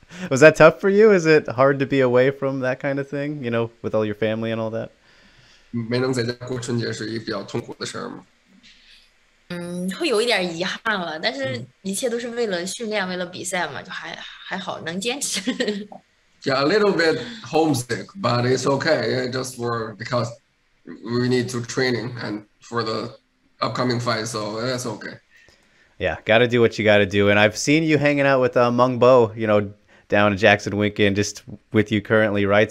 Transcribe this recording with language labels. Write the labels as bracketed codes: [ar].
[en] Was that tough for you? Is it hard to be away from that kind of thing, with all your family and all that? [zh] 没能在家过春节是一比较痛苦的事儿吗？会有一点遗憾了，但是一切都是为了训练，为了比赛嘛，就还好，能坚持。 [en] Yeah, a little bit homesick, but it's okay. It just were because we need to training and for the upcoming fight, so that's okay. Yeah, got to do what you got to do. And I've seen you hanging out with Meng Bo, you know, down in JacksonWink, just with you currently, right?